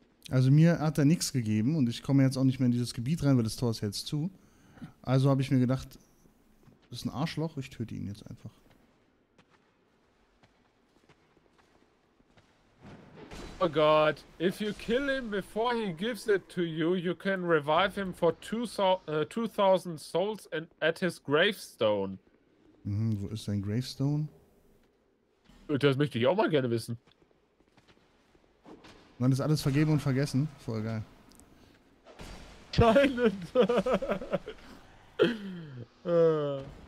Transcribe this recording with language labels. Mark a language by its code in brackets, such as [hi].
[de] Also mir hat er nichts gegeben und ich komme jetzt auch nicht mehr in dieses Gebiet rein, weil das Tor ist jetzt zu. Also habe ich mir gedacht, das ist ein Arschloch, ich töte ihn jetzt einfach. Oh Gott, [en] if you kill him before he gives it to you, you can revive him for 2000 souls and at his gravestone. [de] Mhm, wo ist sein Gravestone? Das möchte ich auch mal gerne wissen. Man ist alles vergeben und vergessen. Voll geil. Scheiße. Ah.